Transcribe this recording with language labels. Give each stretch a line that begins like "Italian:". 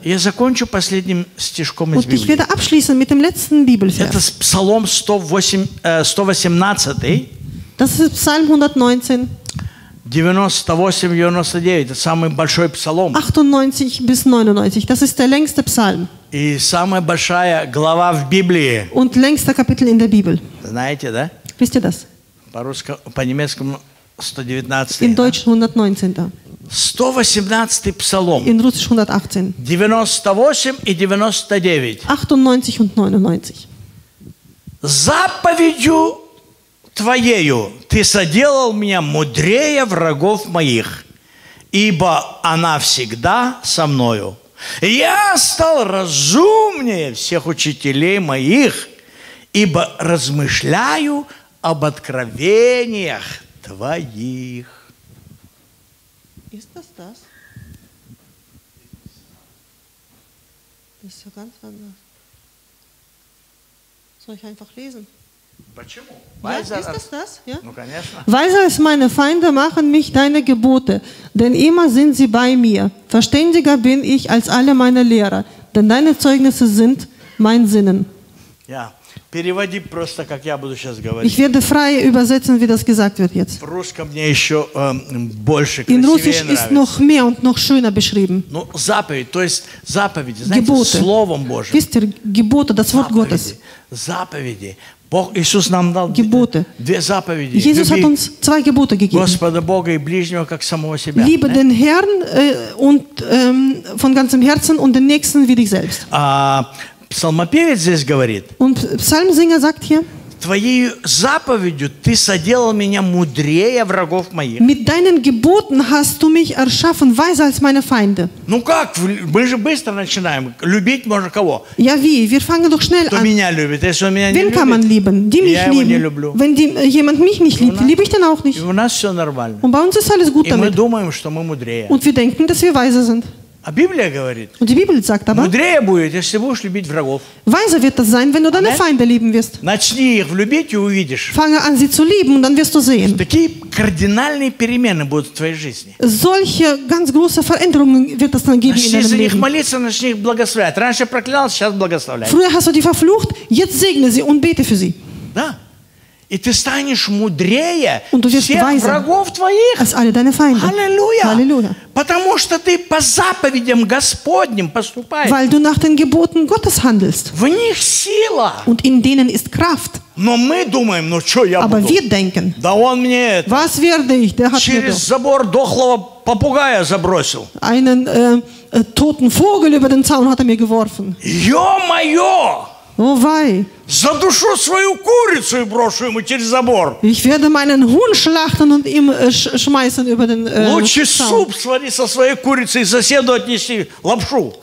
Russian: Я закончу последним стишком из Библии.
German: Und ich werde abschließen mit dem letzten Bibelvers.
Russian: Это Псалом 118.
German: Das ist Psalm 119.
Russian: 98-99. Это самый большой Псалом. 98-99.
German: Das ist der längste Psalm.
Russian: И самая большая глава в Библии.
German: Und längster Kapitel in der Bibel.
Russian: Знаете, да?
German: Wisst ihr das?
Russian: По-немецкому 119.
German: In Deutsch 119, да.
Russian: 118 Псалом.
German: In Russisch 118.
Russian: 98 и 99.
German: 98 und 99.
Russian: Заповедью Твоею Ты соделал меня мудрее врагов моих, ибо она всегда со мною. Я стал разумнее всех учителей моих, ибо размышляю об откровениях твоих.
German: Ist das? Das ist ja ganz anders. Soll ich einfach lesen? Warum? Ja, ist das das? Ja?
Russian: Ну, конечно.
German: Weiser als meine Feinde machen mich deine Gebote, denn immer sind sie bei mir. Verständiger bin ich als alle meine Lehrer, denn deine Zeugnisse sind mein Sinnen. Ja.
Russian: Переводи просто, как я буду сейчас говорить.
German: Ich werde frei übersetzen, wie das gesagt wird jetzt.
Russian: В русском мне еще больше красивее нравится.
German: In Russisch ist noch mehr und noch schöner beschrieben.
Russian: Ну, заповедь, то есть заповеди, знаете, Gebote. Словом Божьим.
German: Wisst ihr, Gebote, das Wort Gottes.
Russian: Заповеди. Бог Иисус нам дал
German: Gebote.
Russian: Две заповеди.
German: Jesus hat uns zwei Gebote gegeben.
Russian: Господа Бога и ближнего, как самого себя.
German: Liebe den Herrn und von ganzem Herzen und den Nächsten wie dich selbst.
Russian: Псалмопевец здесь говорит.
German: Und Psalmsinger sagt hier.
Russian: Твоей заповедью ты соделал меня мудрее врагов моих.
German: Mit deinen Geboten hast du mich erschaffen weiser als meine Feinde.
Russian: Ну как? Мы же быстро начинаем. Любить можно кого?
German: Ja, wie? Wir fangen doch schnell
Russian: an. Кто меня любит? Если он меня не любит,
German: kann man lieben? Die mich lieben.
Russian: Я его не люблю.
German: Wenn jemand mich nicht liebt, liebe ich den auch nicht.
Russian: И у нас все нормально.
German: Und bei uns ist alles gut damit.
Russian: И мы думаем, что мы мудрее.
German: Und wir denken, dass wir weiser sind.
Russian: А Библия говорит.
German: Und die Bibel sagt aber.
Russian: Мудрее будет, если будешь любить врагов.
German: Weiser wird das sein, wenn du deine Feinde lieben wirst.
Russian: Начни их любить и увидишь.
German: Fange an sie zu lieben und dann wirst du sehen.
Russian: Такие кардинальные перемены будут в твоей жизни.
German: Solche ganz große Veränderungen wird es dann geben in deinem Leben.
Russian: Начни за них молиться, начни их благословлять. Раньше проклял, сейчас благословляй.
German: Früher hast du die verflucht, jetzt segne sie und bete für sie.
Russian: Да. И ты станешь мудрее всех врагов твоих. Аллилуйя! Потому что ты по заповедям Господним поступаешь.
German: Weil du nach den Geboten Gottes handelst.
Russian: В них сила.
German: Und in denen ist Kraft.
Russian: Но мы думаем, ну что я
German: Aber
Russian: буду?
German: Wir denken,
Russian: да он мне это,
German: was werde ich, der hat
Russian: через забор дохлого попугая забросил.
German: Einen toten Vogel über den Zaun hat er mir geworfen.
Russian: Ё-моё!
German: Oh, wei.
Russian: За душу свою курицу и брошу ему через забор.
German: Ich werde meinen Huhn schlachten und ihm schmeißen über den
Russian: Лучше суп свари со своей курицей и соседу отнеси лапшу.